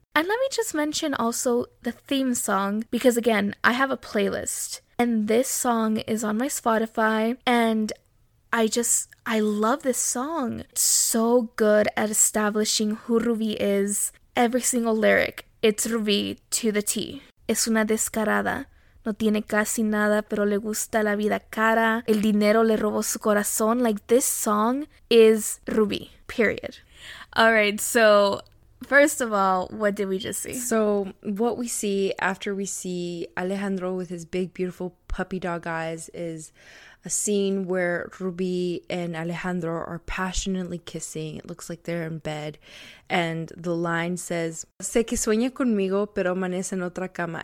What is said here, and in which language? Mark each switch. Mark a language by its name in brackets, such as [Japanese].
[English] And let me just mention also the theme song, because again, I have a playlist and this song is on my Spotify and I love this song. It's so good at establishing who Ruby is. Every single lyric, it's Ruby to the T. [Spanish] Es una descarada. No tiene casi nada, pero le gusta la vida cara. El dinero le robó su corazón. [English] Like, this song is Ruby, period. All right, so first of all, what did we just see? So what we see after we see Alejandro with his big, beautiful puppy dog eyes is a scene where Ruby and Alejandro are passionately kissing. It looks like they're in bed. And the line says, [Spanish] sé que sueña conmigo, pero amanece en otra cama.